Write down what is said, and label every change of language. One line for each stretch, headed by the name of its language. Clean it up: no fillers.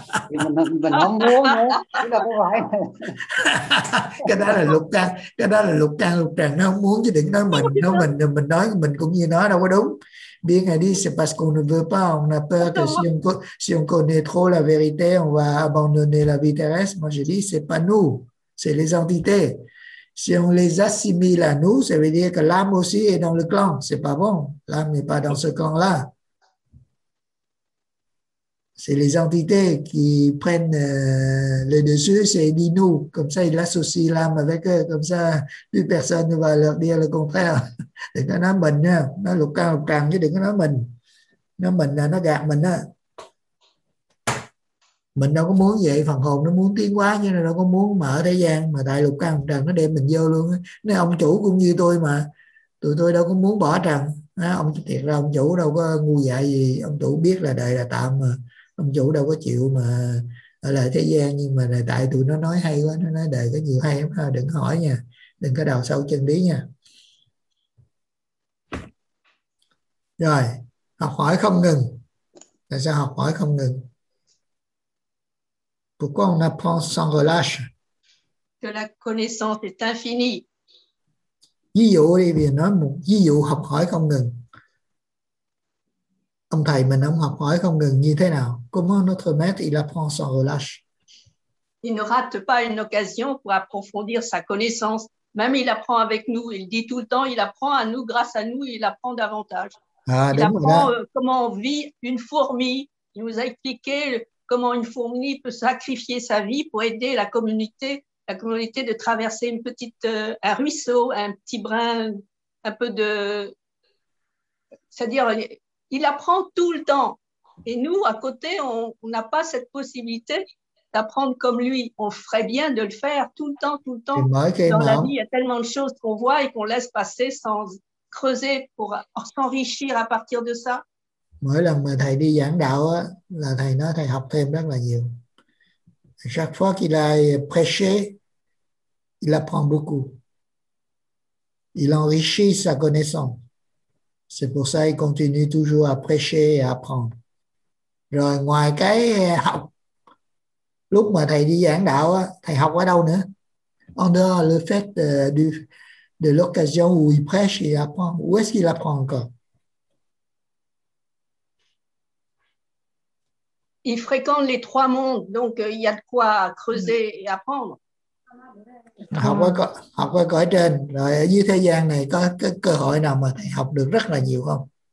Vietnamese: Thì mình không muốn nữa, chứ đâu có phải. cái đó là lục căn nó không muốn chứ đừng nói mình. Nó mình nói mình cũng như nó đâu có đúng.
French: Bien a dit, c'est parce qu'on ne veut pas, on a peur que si on connaît trop la vérité, on va abandonner la vie terrestre. Moi, je dis, c'est pas nous, c'est les entités. Si on les assimile à nous, ça veut dire que l'âme aussi est dans le clan. C'est pas bon, l'âme n'est pas dans ce clan-là. C'est les entités qui prennent le dessus, c'est dit nous. Comme ça, ils associent l'âme avec eux. Comme ça, plus personne ne va leur dire le contraire.
Vietnamese: Đừng có nói mình nha, nói lục căn lục trần chứ đừng có nói mình. Nói mình là nó gạt mình á. Mình đâu có muốn vậy, phần hồn nó muốn tiến quá chứ nó đâu có muốn mở thế gian. Mà tại lục căn lục trần nó đem mình vô luôn á. Nói ông chủ cũng như tôi mà, tụi tôi đâu có muốn bỏ trần. Nói ông thiệt ra ông chủ đâu có ngu dại gì, ông chủ biết là đời là tạm mà. Ông chủ đâu có chịu mà ở lại thế gian, nhưng mà tại tụi nó nói hay quá, nó nói đời có nhiều hay lắm, đừng hỏi nha, đừng có đào sâu chân lý nha. Rồi, học hỏi không ngừng. Tại sao học hỏi không ngừng?
French: Pourquoi on apprend sans relâche? Que la connaissance est infinie.
Vietnamese: Ví dụ đi, vì nói một ví dụ học hỏi không ngừng. Ông thầy mình ông học hỏi không ngừng như thế nào?
French: Comment notre maître il apprend sans relâche? Il ne rate pas une occasion pour approfondir sa connaissance. Même il apprend avec nous. Il dit tout le temps, il apprend à nous, grâce à nous, il apprend davantage. Comment on vit une fourmi. Il nous a expliqué comment une fourmi peut sacrifier sa vie pour aider la communauté de traverser une petite, un ruisseau, un petit brin, un peu de... C'est-à-dire, il apprend tout le temps. Et nous, à côté, on n'a pas cette possibilité d'apprendre comme lui. On ferait bien de le faire tout le temps, tout le temps. Dans la vie, il y a tellement de choses qu'on voit et qu'on laisse passer sans... creuser pour s'enrichir à partir de ça.
Vietnamese: Mỗi lần mà thầy đi giảng đạo á, là thầy nói thầy học thêm rất là nhiều.
French: Chaque fois qu'il a prêché, il apprend beaucoup. Il enrichit sa connaissance. C'est pour ça qu'il continue toujours à prêcher et à apprendre.
Vietnamese: Rồi ngoài cái học, lúc mà thầy đi giảng đạo á, thầy học ở đâu nữa?
French: En dehors le fait de l'occasion où il prêche et apprend. Où est-ce qu'il apprend encore? Il fréquente les trois mondes, donc il y a de quoi creuser et apprendre.
Vietnamese: Học qua cõi trên, rồi ở dưới thế gian này có cái cơ hội nào mà thầy học được rất là nhiều không?